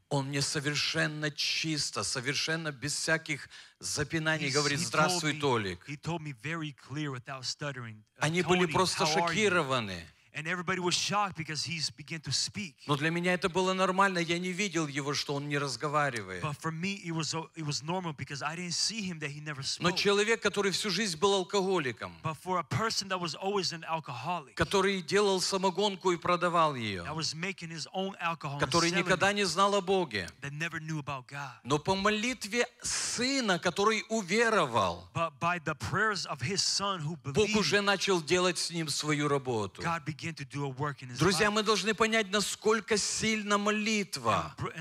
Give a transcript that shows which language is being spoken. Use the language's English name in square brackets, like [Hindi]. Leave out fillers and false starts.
[Russian] он мне совершенно чисто, совершенно без всяких запинаний говорит, здравствуй, Толик. [English] He told me very clear, without stuttering, [Russian] они были просто шокированы. [English] And everybody was shocked because he began to speak. [Russian] Но для меня это было нормально. Я не видел его, что он не разговаривает. [English] But for me, it was normal because I didn't see him that he never spoke. [Russian] Но человек, который всю жизнь был алкоголиком. [English] But for a person that was always an alcoholic. [Russian] Который делал самогонку и продавал ее. [English] That was making his own alcohol. [Russian] Который никогда не знал о Боге. [English] That never knew about God. [Russian] Но по молитве сына, который уверовал. [English] But by the prayers of his son who believed. [Russian] Бог уже начал делать с ним свою работу. Друзья, мы должны понять, насколько сильна молитва.